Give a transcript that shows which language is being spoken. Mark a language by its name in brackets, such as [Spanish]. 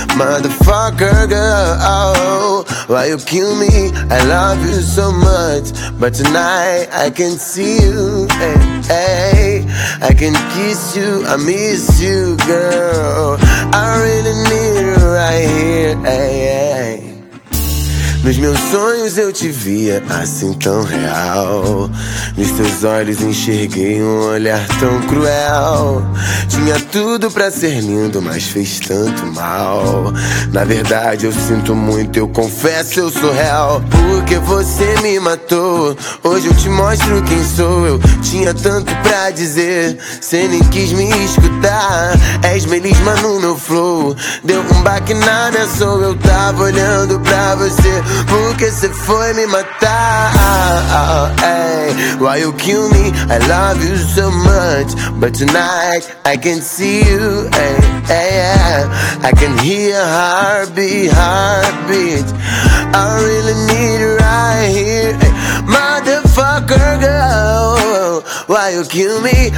[English] Motherfucker girl, oh, why you kill me? I love you so much, but tonight I can see you, hey, hey. I can kiss you, I miss you, girl. I really need you right here, ay, ay. [Portuguese] Nos meus sonhos eu te via assim tão real. Nos teus olhos enxerguei um olhar tão cruel. Tinha tudo pra ser lindo, mas fez tanto mal. Na verdade eu sinto muito, eu confesso eu sou real. Porque você me matou, hoje eu te mostro quem sou. Eu tinha tanto pra dizer, cê nem quis me escutar. És melisma no meu flow, deu um baque na minha soul. Eu tava olhando pra você, porque cê foi me matar, hey. [English] Why you kill me? I love you so much, but tonight I can see you, hey, hey, yeah. I can hear heartbeat, heartbeat. I really need you right here, hey. Motherfucker girl, why you kill me?